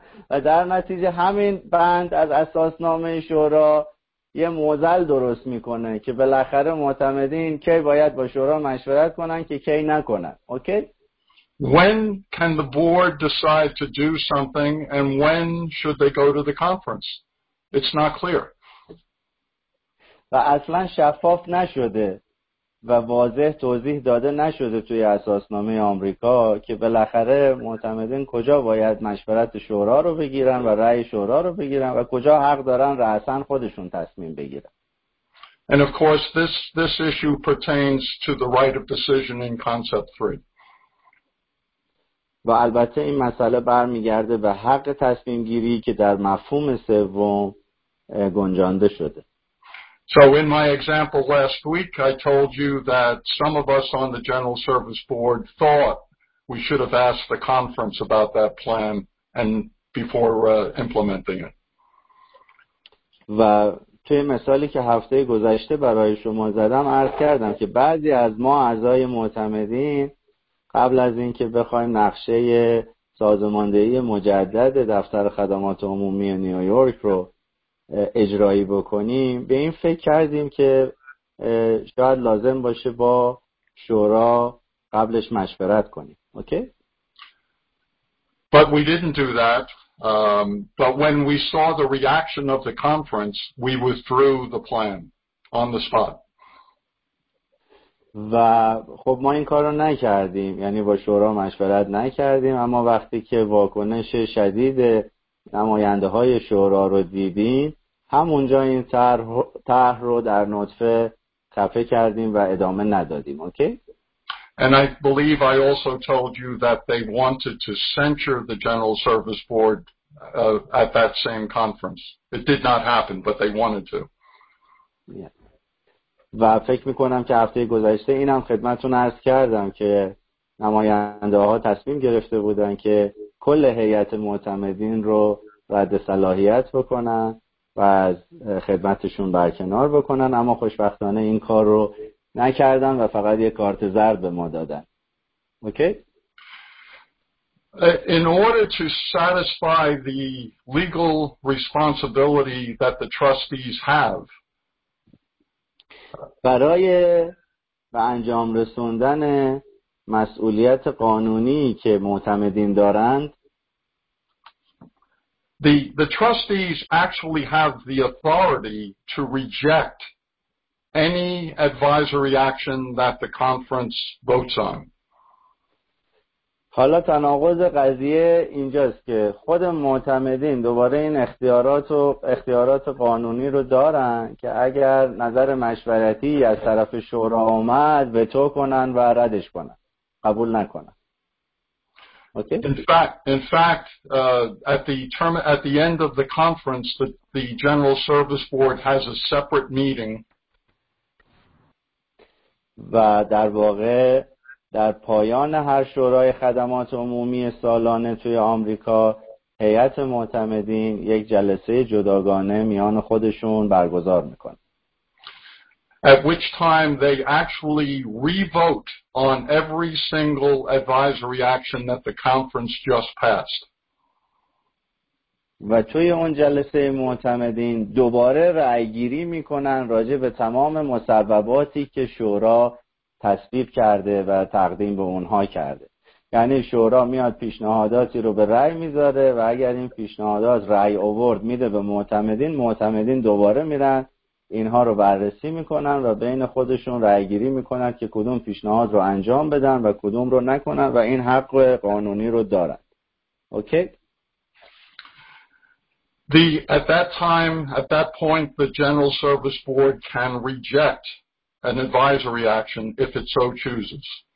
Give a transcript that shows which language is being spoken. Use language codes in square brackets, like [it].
[fa] و در نتیجه همین بند از اساسنامه شورا یه موزل درست میکنه که بالاخره معتمدین کی باید با شورا مشورت کنن که کی نکنن. [en] Okay? When can the board decide to do something and when should they go to the conference? It's not clear. [fa] و اصلا شفاف نشده و واضح توضیح داده نشده توی اساسنامه آمریکا که بالاخره معتمدین کجا باید مشورت شورا رو بگیرن و رأی شورا رو بگیرن و کجا حق دارن رأساً خودشون تصمیم بگیرن. [en] And of course this issue pertains to the right of decision in concept 3. [fa] و البته این مسئله برمیگرده به حق تصمیم گیری که در مفهوم سوم گنجانده شده. [en] So in my example last week I told you that some of us on the General Service Board thought we should have asked the conference about that plan and before implementing it. [fa] و توی مثالی که هفته گذشته برای شما زدم عرض کردم که بعضی از ما اعضای معتمدین قبل از اینکه بخوایم نقشه سازماندهی مجدد دفتر خدمات عمومی نیویورک رو اجرایی بکنیم به این فکر کردیم که شاید لازم باشه با شورا قبلش مشورت کنیم. [en] Okay? But we didn't do that. But when we saw the reaction of the conference, we withdrew the plan on the spot. [fa] و خب ما این کار رو نکردیم، یعنی با شورا مشورت نکردیم، اما وقتی که واکنش شدید نماینده های شورا رو دیدیم همونجا این طرح رو در نطفه خفه کردیم و ادامه ندادیم. [en] Okay? And I believe I also told you that they wanted to censure the General Service Board at that same conference. It did not happen, but they wanted to. Yeah. [fa] و فکر میکنم که هفته گذشته اینم خدمتون عرض کردم که نماینده ها تصمیم گرفته بودن که کل هیئت معتمدین رو رد صلاحیت بکنن و از خدمتشون برکنار بکنن، اما خوشبختانه این کار رو نکردن و فقط یک کارت زرد به ما دادن. [en] Okay? In order to satisfy the legal responsibility that the trustees have, [fa] برای به انجام رسوندن مسئولیت قانونی که معتمدین دارند، [en] The trustees actually have the authority to reject any advisory action that the conference votes on. [fa] حالا تناقض قضیه اینجاست که خود معتمدین دوباره این اختیارات قانونی رو دارن که اگر نظر مشورتی از طرف شورا اومد وتو کنن و ردش کنن، قبول نکنن. [en] Okay. In fact, at the end of the conference, the General Service Board has a separate meeting. [fa] و در واقع در پایان هر شورای خدمات عمومی سالانه توی آمریکا، هیئت معتمدین یک جلسه جداگانه میان خودشون برگزار میکنه. [en] At which time they actually re-vote on every single advisory action that the conference just passed. [fa] و توی اون جلسه معتمدین دوباره رأی‌گیری می‌کنن راجع به تمام مصوباتی که شورا تصویب کرده و تقدیم به اونها کرده. یعنی شورا میاد پیشنهاداتی رو به رأی می‌ذاره و اگر این پیشنهادات رأی آورد میده به معتمدین، معتمدین دوباره میرن اینها رو بررسی میکنن و بین خودشون رأی گیری میکنن که کدوم پیشنهاد رو انجام بدن و کدوم رو نکنن و این حق قانونی رو دارن. [en] Okay? At that point the General Service Board can reject an advisory action if it so chooses.